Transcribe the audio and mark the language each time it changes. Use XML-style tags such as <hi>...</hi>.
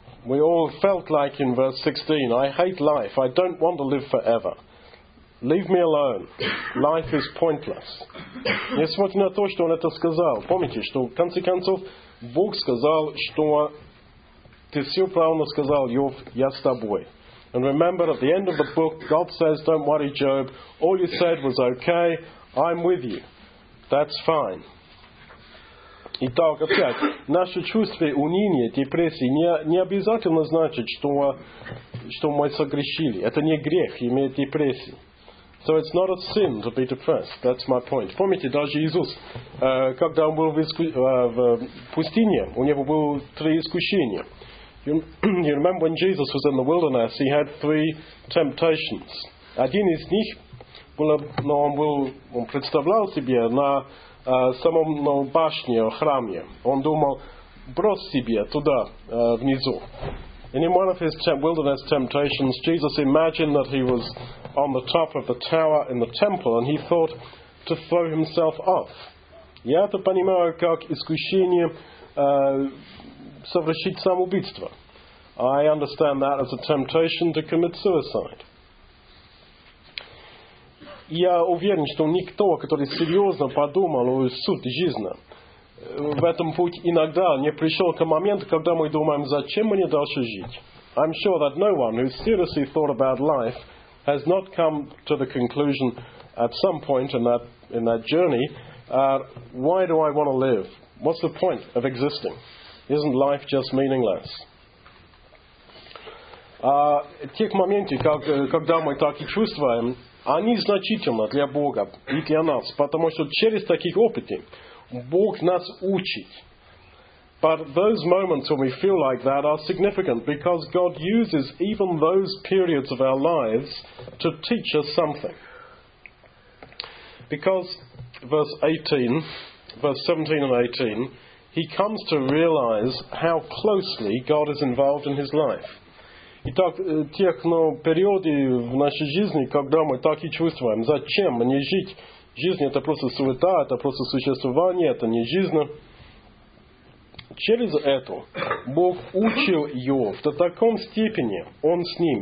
<en>We all felt like in verse 16, I hate life, I don't want to live forever. Leave me alone. Life is pointless.</en> <ru>Несмотря на то, что он это сказал, помните, что в конце концов Бог сказал, что ты все правильно сказал, Йов, я с тобой.</ru> <en>And remember, at the end of the book, God says, don't worry, Job, all you said was okay, I'm with you. That's fine.</en> <ru>Итак, опять, наше чувство уныния, депрессии не обязательно значит, что мы согрешили. Это не грех иметь депрессию.</ru> <en>So it's not a sin to be depressed. That's my point.</en> <ru>Помните, даже Иисус, когда он был в пустыне, у него было три искушения.</ru> <en>You remember when Jesus was in the wilderness, he had three temptations.</en> <ru>Один из них был, но он представлял себе на самом башне, в храме. Он думал, брось себе туда, внизу.</ru> <en>And in one of his wilderness temptations, Jesus imagined that he was on the top of the tower in the temple, and he thought to throw himself off.</en> <ru>Я это понимаю как искушение совершить самоубийство.</ru> <en>I understand that as a temptation to commit suicide.</en> <ru>Я уверен, что никто, который серьезно подумал о сути жизни, в этом пути иногда не пришел к моменту, когда мы думаем, зачем мне дальше жить.</ru> <en>I'm sure that no one who seriously thought about life has not come to the conclusion at some point in that journey, why do I want to live? What's the point of existing? Isn't life just meaningless?</en> <ru>Тех моментов, когда мы так и чувствуем, они значительны для Бога и для нас, потому что через таких опытов Бог нас учит.</ru> <en>But those moments when we feel like that are significant because God uses even those periods of our lives to teach us something. Because verse 17 and 18, he comes to realize how closely God is involved in his life.</en> <ru>Итак, тех периоды в нашей жизни, когда мы так и чувствуем, зачем мне жить? Жизнь — это просто суета, это просто существование, это не жизнь. Через это Бог учил Иов до такой степени, он с ним.</ru>